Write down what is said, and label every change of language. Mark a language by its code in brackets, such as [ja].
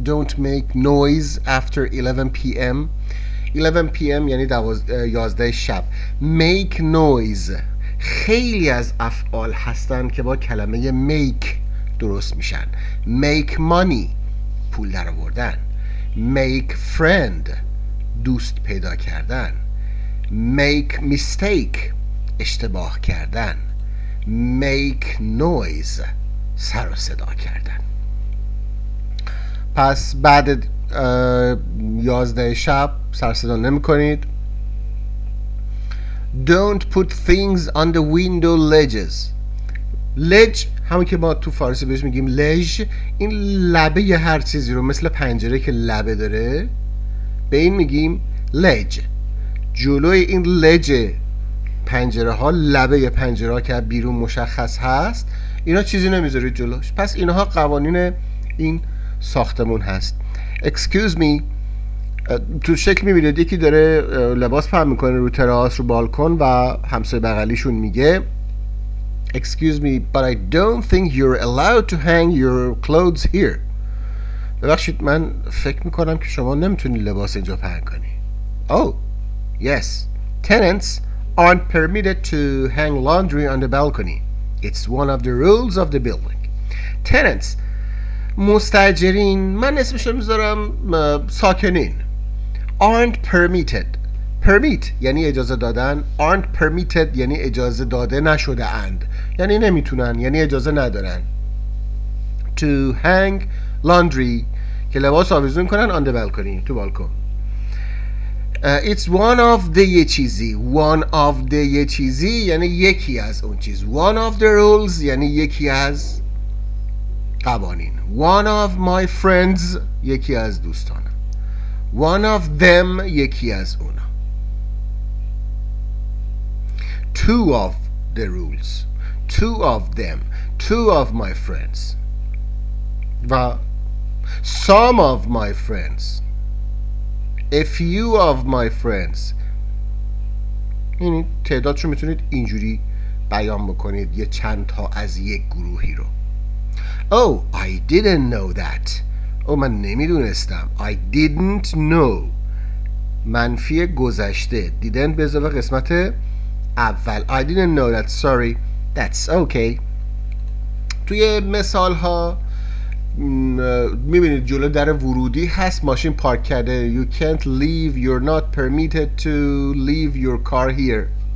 [en] Don't make noise after 11 PM. [fa] 11 PM یعنی 11 شب. Make noise، خیلی از افعال هستن که با کلمه make درست میشن. [en] Make money، [fa] پول در آوردن. [en] Make friend، [fa] دوست پیدا کردن. Make mistake، اشتباه کردن. Make noise، سر و صدا کردن. پس بعد 11 شب سر صدا نمی کنید. [en] Don't put things on the window ledges. [fa] Ledge همون که ما تو فارسی بهش میگیم لژ، این لبه یه هر چیزی رو، مثل پنجره که لبه داره، به این میگیم لژ. جلوی این لج پنجره ها، لبه پنجره ها که بیرون مشخص هست، اینا چیزی نمیذارید جلوش. پس اینها قوانین این ساختمون هست. Excuse me، تو شکل میبینید یکی داره لباس پهن میکنه رو تراس رو بالکن و همسایه بغلیشون میگه [en] Excuse me but I don't think you're allowed to hang your clothes here. [fa] ببخشید من فکر میکنم که شما نمیتونید لباس اینجا پهن کنی. [en] Yes, tenants aren't permitted to hang laundry on the balcony. It's one of the rules of the building. [fa] Tenants، مستاجرین، من اسمش رو میذارم ساکنین. Aren't permitted، permit یعنی اجازه دادن، aren't permitted یعنی اجازه داده نشده اند، یعنی نمیتونن، یعنی اجازه ندارن. [en] To hang laundry، [fa] که لباس آویزون کنن [en] on the balcony، [fa] تو بالکن. [en] It's one of the [fa] یه چیزی، one of the یه چیزی یعنی یکی از اون چیز. [en] One of the rules [fa] یعنی یکی از قوانین. [en] One of my friends [fa] یکی از دوستانم. [en] One of them [fa] یکی از اونا. [en] Two of the rules، two of them، two of my friends [fa] و [en] some of my friends، a few of my friends. [fa] یعنی تعداد رو میتونید اینجوری بیان بکنید، یه چند تا از یک گروهی رو. [en] Oh, I didn't know that. [fa] Oh، من نمیدونستم. [en] I didn't know، [fa] منفی گذشته، didn't به اضافه قسمت اول. [en] I didn't know that. Sorry. That's okay. [fa] توی مثال ها میبینید جلو در ورودی هست، ماشین پارک کرده. [en] You can't leave، you're not permitted to leave your car here.